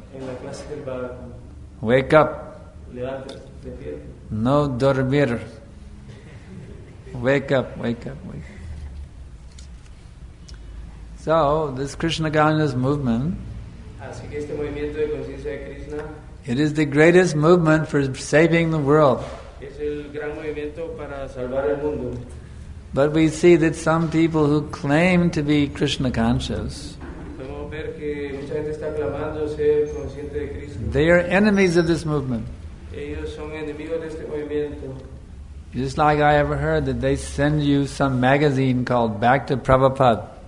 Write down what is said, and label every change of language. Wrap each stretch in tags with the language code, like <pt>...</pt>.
<es>En la clase del Bhagavatam.</es> <en>Wake up.</en> <es>Levántate. No dormir. Wake up.</es> <en>So, this Krishna consciousness movement,</en> <es>así que este movimiento de conciencia de Krishna,</es> <en>it is the greatest movement for saving the world.</en> <es>Es el gran movimiento para salvar el mundo.</es> <en>But we see that some people who claim to be Krishna conscious,</en> <es>podemos ver que mucha gente está clamando ser consciente de Krishna.</es> <en>They are enemies of this movement.</en> <es>Ellos son enemigos de este movimiento.</es> <en>Just like I ever heard that they send you some magazine called Back to Prabhupada.</en>